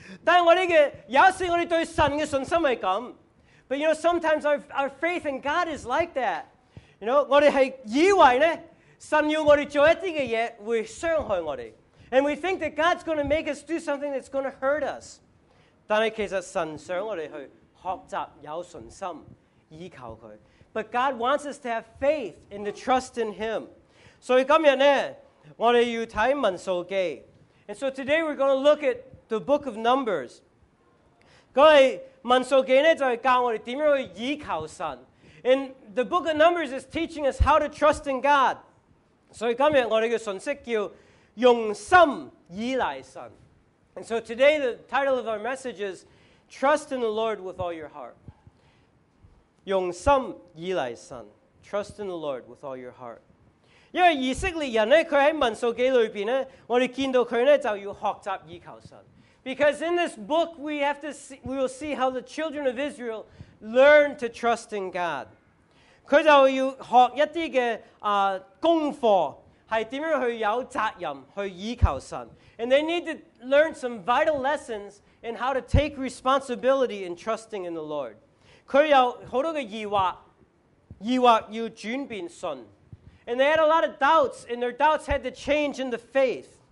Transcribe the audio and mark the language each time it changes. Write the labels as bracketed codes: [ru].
[yue] 但係我哋嘅有時我哋對神嘅信心係咁 [en] ，but you know sometimes our faith in God is like that. You know, [yue] 我哋係以為咧，神要我哋做一啲嘅嘢會傷害我哋。 [en] And we think that God's going to make us do something that's going to hurt us. [yue] 但係其實神想我哋去學習有信心，依靠佢。 [en] But God wants us to have faith and to trust in Him. [yue] 所以今日咧，我哋要睇民數記。 [en] And so today we're going to look at the book of Numbers. [yue] 各位，民數記咧就係教我哋點樣去依靠神。 [en] And the book of Numbers is teaching us how to trust in God. [yue] 所以今日我哋嘅信息叫用心依賴神。 [en] And so today the title of our message is Trust in the Lord with all your heart. [yue] 用心依賴神。 [en] Trust in the Lord with all your heart. [yue] 因為以色列人呢，佢喺民數記裏面呢，我哋見到佢呢，就要學習依靠神。 [en] Because in this book we have to see, we will see how the children of Israel learn to trust in God. [yue] 佢就要學一啲嘅功課。係點樣去有責任去依靠神 [en] ？And they need to learn some vital lessons in how to take responsibility in trusting in the Lord. [yue] 佢有好多嘅疑惑，疑惑要轉變信。 [en] And they had a lot of doubts, and their doubts had to change in the faith.